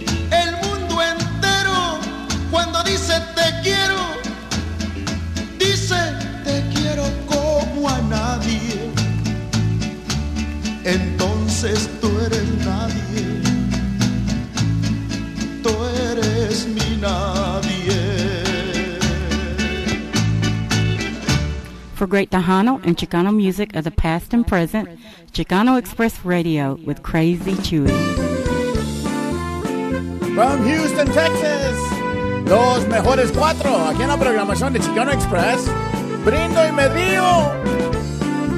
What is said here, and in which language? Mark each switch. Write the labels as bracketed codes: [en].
[es] El mundo entero, cuando dice te quiero, dice te quiero como a nadie. Entonces tú eres nadie, tú eres mi nadie. [en] For great Tejano and Chicano music of the past and present, Chicano Express Radio with Crazy Chewy. From Houston, Texas, [es] Los Mejores Cuatro, aquí en la programación de Chicano Express, Brindo y Medio.